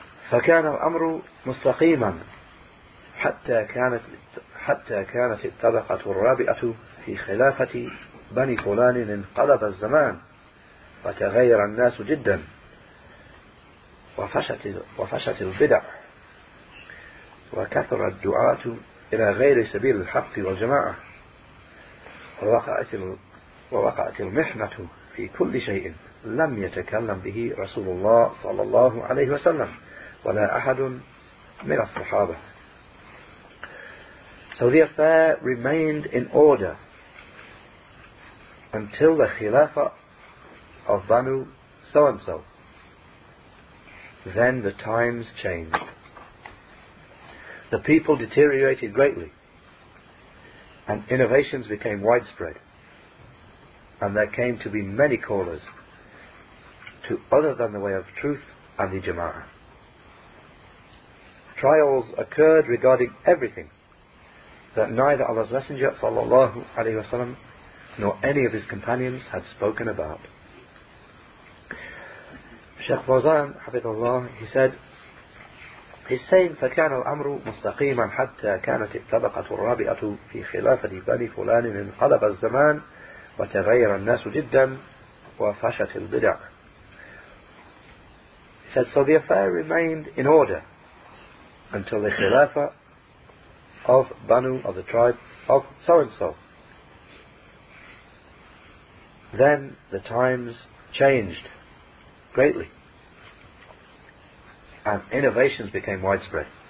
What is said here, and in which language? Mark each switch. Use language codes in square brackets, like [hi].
[ar] فكان الأمر مستقيما حتى كانت الطبقة الرابعة في خلافة بني فلان انقلب الزمان وتغير الناس جدا وفشت البدع وكثر الدعاة إلى غير سبيل الحق والجماعة ووقعت المحنة في كل شيء لم يتكلم به رسول الله صلى الله عليه وسلم ولا أحد من الصحابة. [en] So the affair remained in order until the Khilafa of Banu so-and-so. Then the times changed. The people deteriorated greatly, and innovations became widespread, and there came to be many callers to other than the way of truth and the Jama'ah. Trials occurred regarding everything that neither Allah's Messenger sallallahu alayhi wasallam nor any of his companions had spoken about. Sheikh Fawzan, hafidhullah, he said, he's saying, [ar] فَكَانَ الْأَمْرُ مُسْتَقِيمًا حَتَّى كَانَتِ الطَّبَقَةُ الرَّابِئَةُ فِي خِلَافَةِ بَنِي فُلَانٍ انْقَلَبَ الزَّمَانِ وَتَغَيَّرَ النَّاسُ جِدًّا وَفَشَتِ الْبِدَعُ. [en] He said, so the affair remained in order until the Khilafa of Banu, of the tribe of so-and-so. Then the times changed greatly, and innovations became widespread.